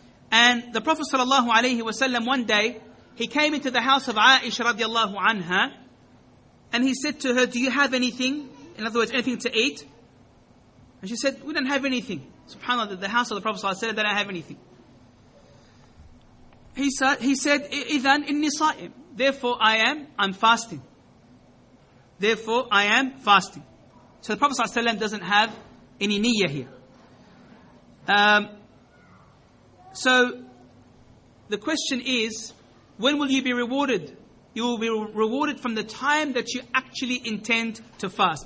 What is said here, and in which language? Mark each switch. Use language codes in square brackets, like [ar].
[en] And the Prophet sallallahu alaihi wasallam, one day he came into the house of Aisha radiallahu anha and he said to her, do you have anything? In other words, anything to eat? And she said, we don't have anything. SubhanAllah, the house of the Prophet said, they don't have anything. He said, [ar] إِذَنْ إِنِّي صَائِمْ. [en] Therefore, I'm fasting. Therefore, I am fasting. So the Prophet doesn't have any niyyah here. So the question is, when will you be rewarded? You will be rewarded from the time that you actually intend to fast.